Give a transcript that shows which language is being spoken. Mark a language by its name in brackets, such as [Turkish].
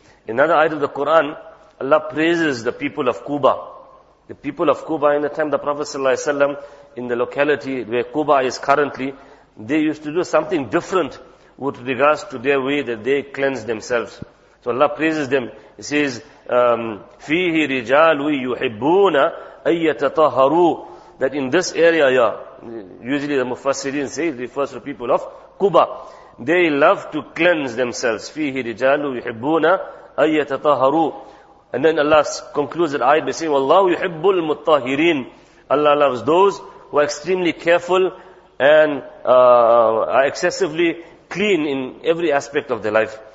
[English] In another ayat of the Quran, Allah praises the people of Quba. The people of Quba, in the time of the Prophet sallallahu alaihi wasallam, in the locality where Quba is currently, they used to do something different with regards to their way that they cleanse themselves. So Allah praises them. He says, [Arabic] فِيهِ رِجَالُ يُحِبُّونَ أَيَّتَطَهَرُوا. [English] That in this area, yeah, usually the Mufassirin say, it refers to people of Quba. They love to cleanse themselves. [Arabic] فِيهِ رِجَالُ يُحِبُّونَ أَيَّتَطَهَرُوا. [English] And then Allah concludes the ayah by saying, [Arabic] وَاللَّهُ يُحِبُّ الْمُطَّهِرِينَ. [English] Allah loves those who are extremely careful and are excessively clean in every aspect of their life.